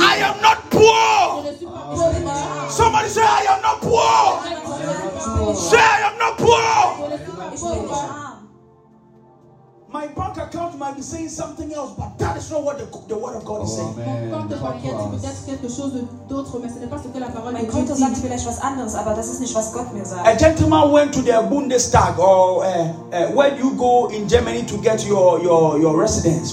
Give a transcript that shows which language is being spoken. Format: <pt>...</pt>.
<en>I am not poor. Somebody say, I am not poor. Say, I am not poor. My bank account might be saying something else, but that is not what the word of God is saying.</en> <de>Mein Konto sagt vielleicht was anderes, aber das ist nicht, was Gott mir sagt.</de> <en>A gentleman went to the Bundestag, or where do you go in Germany to get your residence?</en>